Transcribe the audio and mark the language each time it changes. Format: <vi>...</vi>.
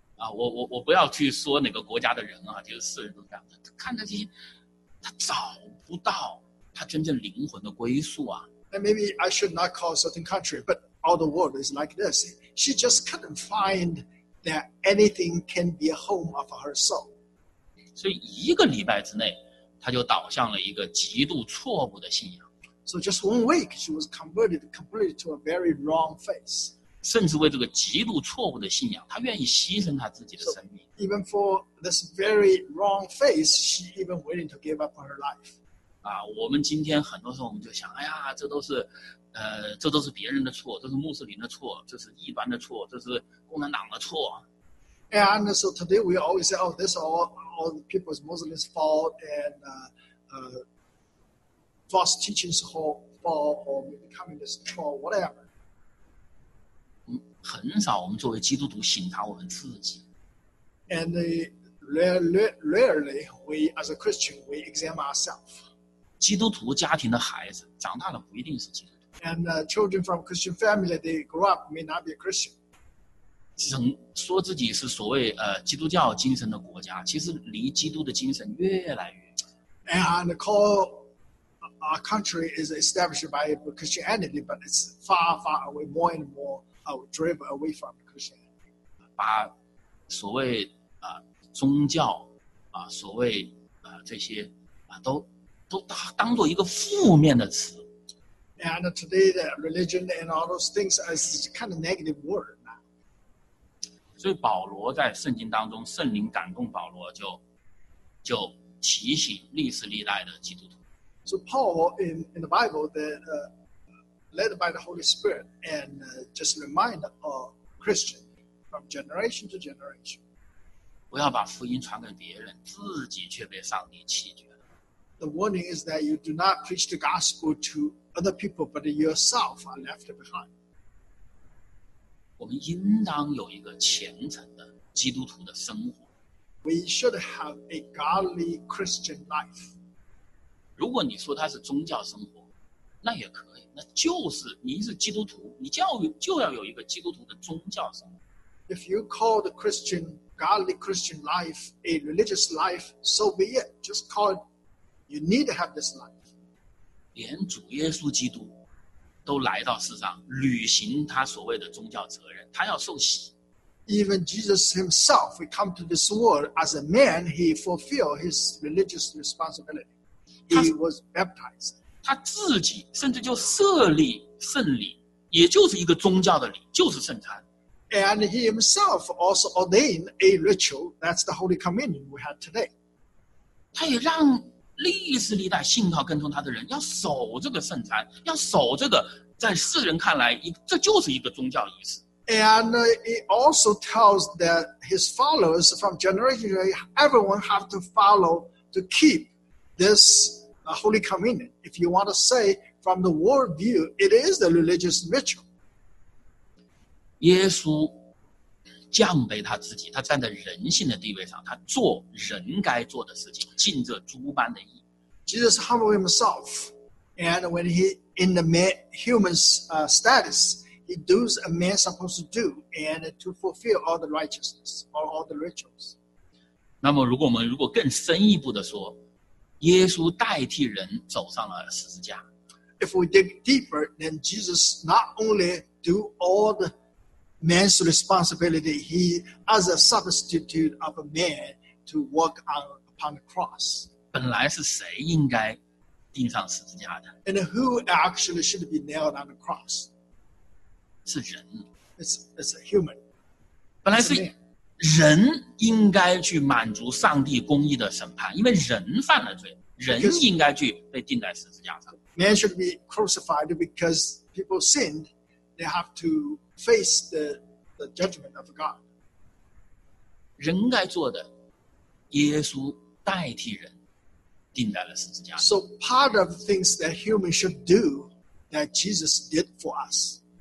<zh>啊，我不要去说哪个国家的人啊，就是世人都这样的。看这些，他找不到。他真正灵魂的归宿啊。</zh> <en>And maybe I should not call a certain country, but all the world is like this. She just couldn't find that anything can be a home of her soul.</en> <zh>所以一个礼拜之内，他就导向了一个极度错误的信仰。</zh> <en>So just 1 week, she was converted completely to a very wrong faith.</en> <zh>甚至为这个极度错误的信仰，他愿意牺牲他自己的生命。</zh> <en>So even for this very wrong faith, she even willing to give up her life.</en> <zh>啊，我们今天很多时候我们就想，哎呀，这都是别人的错，这是穆斯林的错，这是异端的错，这是共产党的错。</zh> <en>And so today we always say, oh, this all the people's Muslims' fault and false teachings' fault or maybe communist fault, whatever.</en> <zh>很少我们作为基督徒省察我们自己。</zh> <en>And rarely we as a Christian we examine ourselves.</en> <zh>基督徒家庭的孩子长大了不一定是基督徒。</zh> <en>And children from Christian family, they grow up may not be a Christian.</en> <zh>曾说自己是所谓基督教精神的国家，其实离基督的精神越来越远。</zh> <en>And call our country is established by Christianity, but it's far, far away, more and more driven away from Christianity.</en> <zh>把所谓宗教所谓这些都当作一个负面的词。</zh> <en>And today the religion and all those things is kind of negative word now.</en> <zh>所以保罗在圣经当中，圣灵感动保罗就提醒历史历代的基督徒。</zh> <en>So Paul in the Bible that led by the Holy Spirit and just remind a Christian from generation to generation.</en> <zh>不要把福音传给别人，自己却被上帝弃绝。</zh> <en>The warning is that you do not preach the gospel to other people, but yourself are left behind.</en> <zh>我们应当有一个虔诚的基督徒的生活。</zh> <en>We should have a godly Christian life.</en> <zh>如果你说它是宗教生活，那也可以，那就是你是基督徒，你就要有一个基督徒的宗教生活。</zh> <en>If you call the Christian godly Christian life a religious life, so be it. Just call itYou need to have this life.</en> <zh>连主耶稣基督都来到世上，履行他所谓的宗教责任，他要受洗。</zh> <en>Even Jesus himself, he come to this world as a man, he fulfilled his religious responsibility. He was baptized.</en> <zh>他自己甚至就设立圣礼，也就是一个宗教的礼，就是圣餐。</zh> <en>And he himself also ordained a ritual. That's the Holy Communion we had today.</en> <zh>他也让历史历代信靠跟从他的人要守这个圣餐，要守这个在世人看来这就是一个宗教仪式。</zh> <en>And it also tells that his followers from generation to generation, everyone have to follow to keep this Holy Communion. If you want to say from the world view, it is the religious ritual.</en> <zh>耶稣降卑他自己，他站在人性的地位上，他做人该做的事情，尽这猪般的义。</zh> <en>Jesus humbled himself, and when he in the man, human's status, he does a man supposed to do, and to fulfill all the righteousness or all the rituals.</en> <zh>那么，如果更深一步的说，耶稣代替人走上了十字架。</zh> <en>If we dig deeper, then Jesus not only do all the man's responsibility, he as a substitute of a man to walk on upon the cross.</en> <zh>本来是谁应该钉上十字架的？</zh> <en>And who actually should be nailed on the cross?</en> <zh>是人。</zh> <en>It's a human.</en> <zh>本来是人应该去满足上帝公义的审判，因为人犯了罪，人应该去被钉在十字架上。</zh> <en>Man should be crucified because people sinned. They have to face the judgment of God.</en> <zh>人该做的，耶稣代替人钉在了十字架上。</zh> <en>So part of things that human should do that Jesus did for us.</en>